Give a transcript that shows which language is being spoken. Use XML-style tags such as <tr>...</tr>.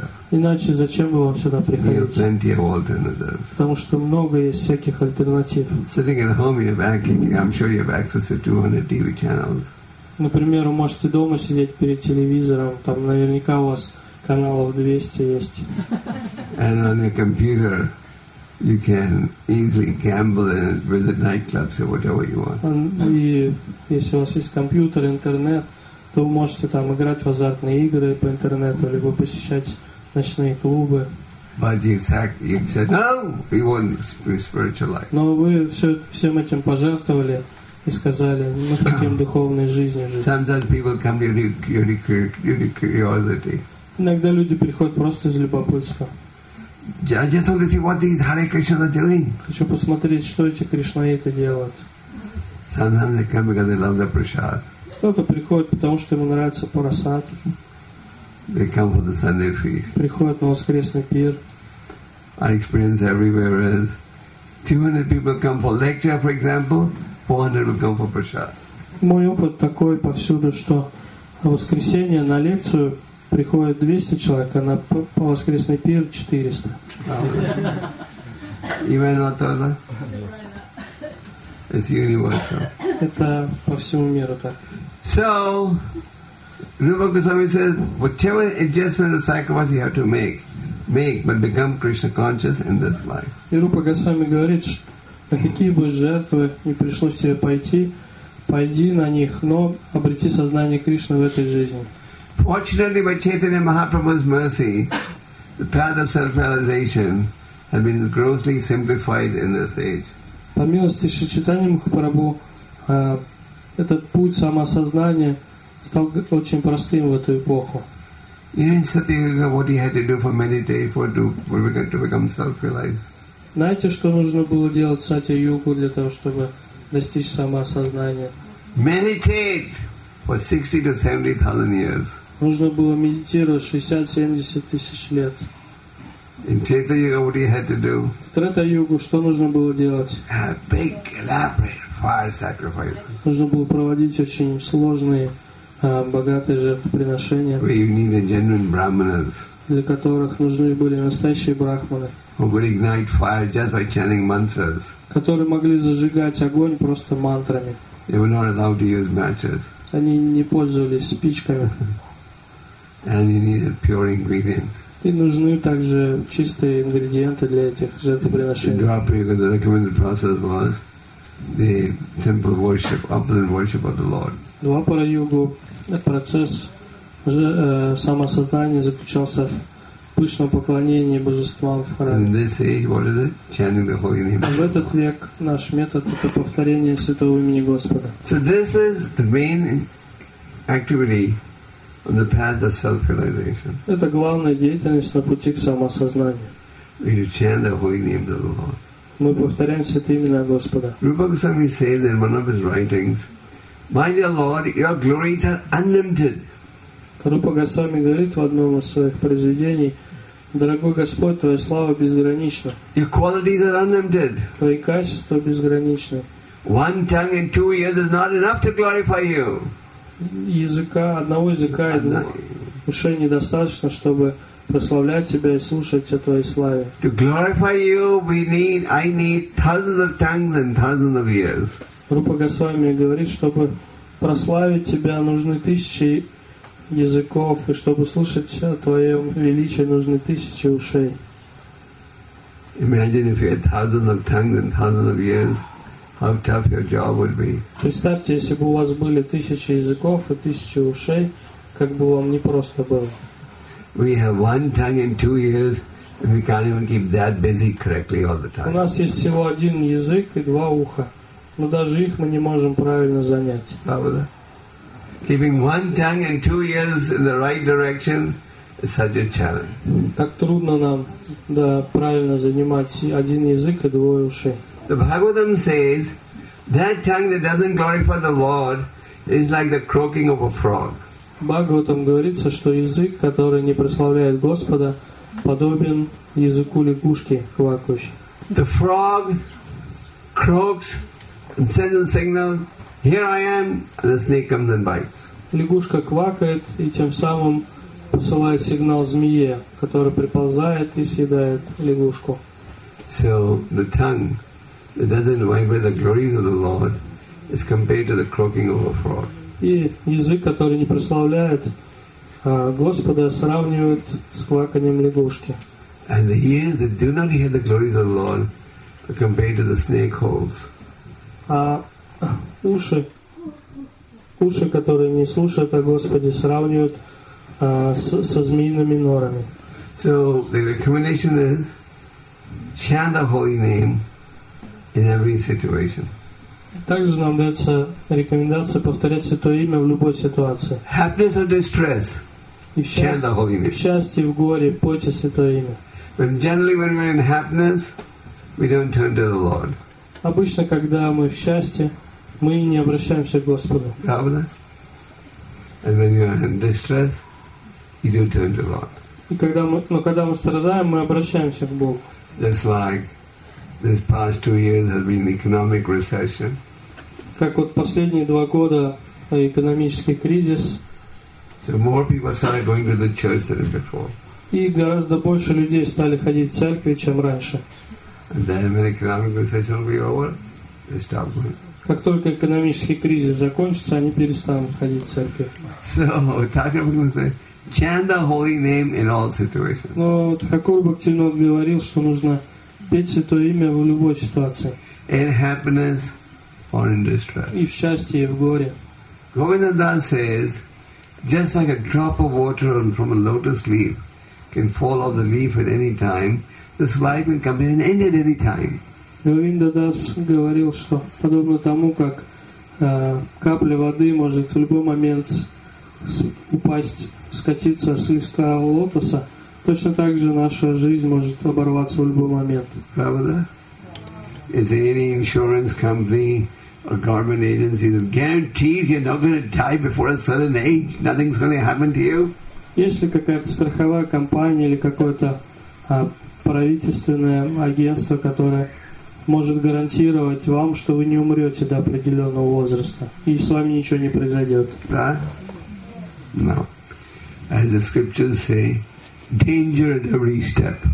<ru>Иначе зачем бы вам сюда приходить? Потому что много есть всяких альтернатив. Например, вы можете дома сидеть перед телевизором, там наверняка у вас каналов 200 есть.</ru> <en>And on your computer. You can easily gamble and visit nightclubs or whatever you want. And</en> <ru>если у вас есть компьютер, интернет, то вы можете там играть в азартные игры по интернету, либо посещать ночные клубы.</ru> <en>But you said no, we want spiritual life.</en> <ru>Но вы всем этим пожертвовали и сказали, мы хотим духовной жизни жить.</ru> <en>Sometimes people come due to curiosity.</en> <ru>Иногда люди приходят просто из любопытства.</ru> <en>I just want to see what these Hare Krishna are doing.</en> <ru>Хочу посмотреть, что эти Кришнаиты делают.</ru> <en>Sometimes they come because they love the prasad.</en> <ru>Кто-то приходит потому что ему нравится парасад.</ru> <en>They come for the Sunday feast.</en> <ru>Приходят на воскресный пир.</ru> <en>Our experience everywhere is 200 people come for lecture, for example, 400 will come for prasad.</en> <ru>Мой опыт такой повсюду, что в воскресенье на лекцию приходит 200 человек, а на воскресный пир 400. Именно тогда.</ru> <en>It's universal.</en> <ru>Это по всему миру так.</ru> <en>So, Rupa Goswami says, whatever adjustment or sacrifice you have to make, but become Krishna conscious in this life.</en> <ru>И Рупа Госвами говорит, на какие бы жертвы не пришлось тебе пойти, пойди на них, но обрети сознание Кришны в этой жизни.</ru> <en>Fortunately, by Chaitanya Mahaprabhu's mercy, the path of self-realization has been grossly simplified in this age.</en> <ru>По милости Шри Чайтаньи Махапрабху, этот путь самосознания стал очень простым в эту эпоху.</ru> <en>In Satyuga, what he had to do for meditate to become self-realized.</en> <ru>Знаете, что нужно было делать в Сатья-югу для того, чтобы достичь самосознания?</ru> <en>Meditate for 60,000 to 70,000 years.</en> <ru>Нужно было медитировать 60-70 тысяч лет.</ru> <en>In Chaitanya, what you had to do?</en> <ru>В Трета-югу что нужно было делать?</ru> <en>A big, elaborate fire sacrifice.</en> <ru>Нужно было проводить очень сложные, богатые жертвоприношения.</ru> <en>Where you needed genuine brahmanas.</en> <ru>Для которых нужны были настоящие брахманы.</ru> <en>Who could ignite fire just by chanting mantras.</en> <ru>Которые могли зажигать огонь просто мантрами.</ru> <en>They were not allowed to use matches.</en> <ru>Они не пользовались спичками.</ru> <en>And you need pure ingredients.</en> <ru>И нужны также чистые ингредиенты для этих жертвоприношений.</ru> <en>The recommended process was the temple worship, upland worship of the Lord.</en> <ru>Два пара югу, процесс самосознания заключался в пышном поклонении божествам в храме.</ru> <en>In this age, what is it? Chanting the holy name.</en> <ru>В этот век наш метод — это повторение святого имени Господа.</ru> <en>So this is the main activity on the path of self-realization.</en> <ru>Это главная деятельность на пути к самосознанию.</ru> <en>You chant the holy name of the Lord.</en> <ru>Мы повторяем святое имя Господа.</ru> <en>Rupa Goswami says in one of his writings, "My dear Lord, your glories are unlimited."</en> <ru>Rupa Goswami говорит в одном из своих произведений: "Дорогой Господь, твоя слава безгранична."</ru> <en>Your qualities are unlimited.</en> <ru>Твои качества безграничны.</ru> <en>One tongue and two ears is not enough to glorify you.</en> <ru>Языка одного языка и двух ушей недостаточно, чтобы прославлять тебя и слушать о твоей славе.</ru> <en>To glorify you, I need thousands of tongues and thousands of ears.</en> <ru>Рупа Госвами говорит, чтобы прославить тебя, нужны тысячи языков, и чтобы слушать о твоем величии, нужны тысячи ушей.</ru> <en>Imagine if you had thousands of tongues and thousands of ears, how tough your job would be.</en> <ru>Представьте, если бы у вас были тысячи языков и тысячи ушей, как бы вам непросто было.</ru> <en>We have one tongue and two ears, and we can't even keep that busy correctly all the time.</en> <ru>У нас есть всего один язык и два уха, но даже их мы не можем правильно занять. Правда?</ru> <en>Keeping one tongue and two ears in the right direction is such a challenge.</en> <ru>Так трудно нам, да, правильно занимать один язык и двое ушей.</ru> <en>The Bhagavatam says that tongue that doesn't glorify the Lord is like the croaking of a frog.</en> <ru>Бхагаватам говорится, что язык, который не прославляет Господа, подобен языку лягушки, квакающей.</ru> <en>The frog croaks and sends a signal, here I am, and the snake comes and bites.</en> <ru>Лягушка квакает и тем самым посылает сигнал змее, который приползает и съедает лягушку.</ru> <en>So the tongue that doesn't vibrate the glories of the Lord is compared to the croaking of a frog.</en> <ru>И язык, который не прославляет Господа, сравнивают с кваканием лягушки.</ru> <en>And the ears that do not hear the glories of the Lord are compared to the snake holes.</en> <ru>А уши, которые не слушают о Господе, сравнивают со змеиными норами.</ru> <en>So the recommendation is chant the holy name in every situation.</en> <ru>Также нам дается рекомендация повторять Святое Имя в любой ситуации.</ru> <en>Happiness or distress, chant the Holy Name.</en> <ru>В счастье, в горе, пойте Святое Имя.</ru> <en>But generally, when we're in happiness, we don't turn to the Lord.</en> <ru>Обычно, когда мы в счастье, мы не обращаемся к Господу. Правда?</ru> <en>And when you're in distress, you do turn to the Lord.</en> <ru>Но когда мы страдаем, мы обращаемся к Богу.</ru> <en>Just like this past 2 years has been economic recession.</en> <ru>Как вот последние два года экономический кризис.</ru> <en>So more people started going to the church than before.</en> <ru>И гораздо больше людей стали ходить в церкви, чем раньше.</ru> <en>And then when economic recession will be over, they stop going.</en> <ru>Как только экономический кризис закончится, они перестанут ходить в церкви.</ru> <en>So</en> <ru>так я буду говорить,</ru> <en>chant the holy name in all situations.</en> <ru>Но Хакур Бхактивинод говорил, что нужно петь Святое Имя в любой ситуации.</ru> <en>In happiness or in distress.</en> <ru>И в счастье, и в горе.</ru> <en>Govindadas says, just like a drop of water from a lotus leaf can fall off the leaf at any time, this life can come to an end at any time.</en> <ru>Govindadas говорил, что подобно тому, как капля воды может в любой момент упасть, скатиться с листа лотоса, точно так же наша жизнь может оборваться в любой момент. Правда?</ru> <en>Is there any insurance company or government agency that guarantees you're not going to die before a certain age? Nothing's going to happen to you?</en> <ru>Есть ли какая-то страховая компания или какое-то правительственное агентство, которое может гарантировать вам, что вы не умрете до определенного возраста и с вами ничего не произойдет? Да?</ru> <en>No. As the scriptures say, danger at every step.</en>